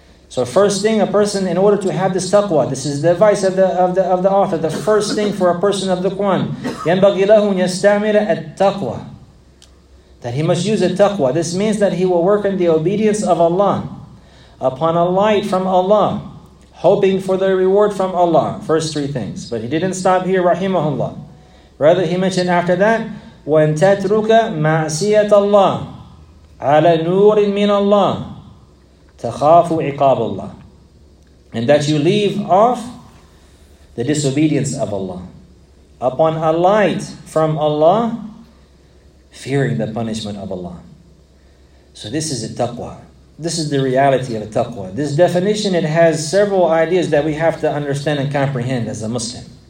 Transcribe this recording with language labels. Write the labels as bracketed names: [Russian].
[English] So first thing, a person, in order to have this taqwa, this is the advice of the author, the first thing for a person of the Quran, [Arabic] يَنْبَغِي لَهُ أَنْ يَسْتَعْمِلَ التَّقْوَى. [English] That he must use a taqwa. This means that he will work in the obedience of Allah, upon a light from Allah, hoping for the reward from Allah. First three things. But he didn't stop here, rahimahullah. Rather, he mentioned after that, [Arabic] وَأَنْ تَتْرُكَ مَعْسِيَةَ اللَّهِ عَلَى نُورٍ مِّنَ اللَّهِ تَخَافُ عِقَابَ اللَّهِ. [English] And that you leave off the disobedience of Allah, upon a light from Allah, fearing the punishment of Allah. So this is a taqwa. This is the reality of a taqwa. This definition, it has several ideas that we have to understand and comprehend as a Muslim.